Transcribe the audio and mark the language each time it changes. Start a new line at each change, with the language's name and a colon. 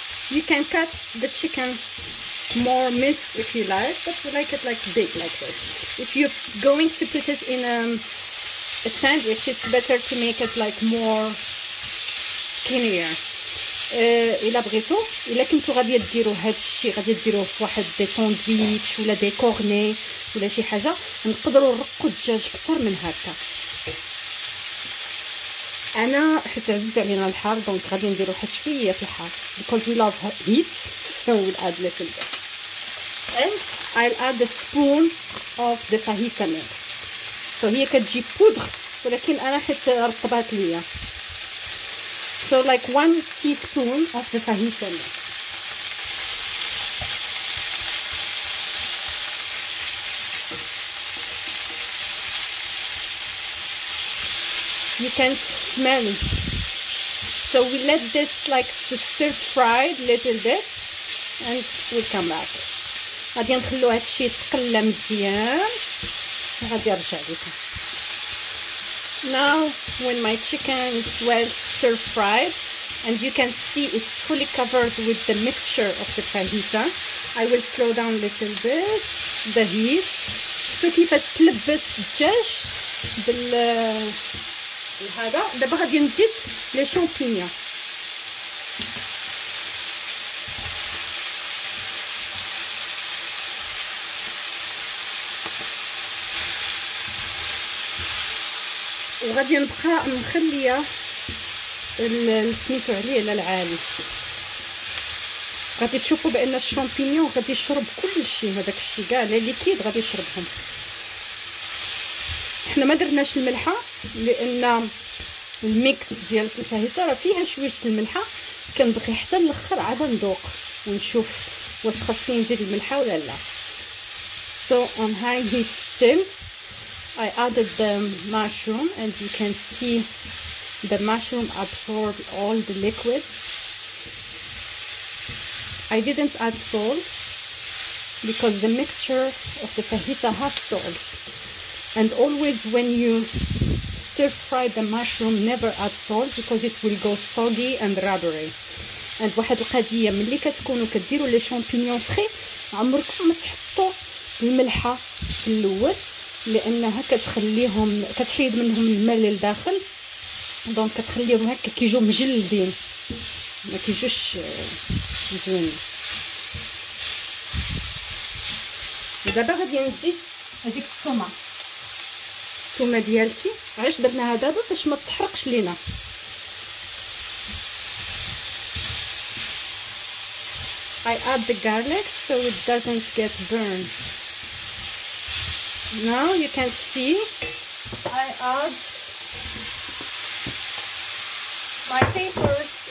English: You can cut the chicken more mince if you like, but we like it like big like this. If you're going to put it in a sandwich, it's better to make it like more skinnier.
Arabic: الا بغيتو الا كنتو غادي ديروا هذا الشيء، غادي ديروه في واحد دي ساندويتش ولا دي كورني ولا شي حاجه، نقدروا نرقوا الدجاج اكثر من هكا. انا حيت عزيز علينا الحار دونك غادي نديرو واحد شويه في الحار،
English: Because we love heat so we'll add little bit and I'll add a spoon of the fajita milk. So هي كتجي powder
Arabic: ولكن انا حيت رطبات ليا،
English: So like 1 teaspoon of the fajita milk. You can smell it. So we let this like to stir fry a little bit and we come back.
Arabic: غادي نخلو هادشي يتقلى مزيان وغادي نرجع لكم.
English: Now when my chicken is well stir fried and you can see it's fully covered with the mixture of the fajita, I will slow down a little bit the heat.
Arabic: شوفوا كيفاش تلبس الدجاج بال هذا. دابا غادي نزيد لي شامبينيون. وغادي نبقى مخليه السميتو عليه على العالي. غادي تشوفوا بان الشامبينيون غادي يشرب كلشي، هذاك الشيء كاع لي ليكيد غادي يشربهم. حنا ما درناش الملحه لان الميكس ديال الفاهيتا راه فيها شويه الملحه، كنبغي حتى الاخر عاد ندوق ونشوف واش خاصني نزيد الملحه ولا لا.
English: So on high heat still I added the mushroom and you can see the mushroom absorb all the liquids. I didn't add salt because the mixture of the fajita has salt. And always when you stir fry the mushroom never add salt because it will go soggy and rubbery. And
Arabic: واحد القضية ملي كتكونوا كديروا لي شامبينيون فخي عمركم ما تحطوا الملحة في الأول لأنها كتخليهم كتحيد منهم الماء للداخل، دونك كتخليهم هكا كيجوا مجلدين ما كيجوش زوين. ودابا غادي نزيد هذيك الثومة، الثومة ديالتي علاش درناها دابا باش ما تحرقش لينا.
English: I add the garlic so it doesn't get burned. Now you can see I add my papers.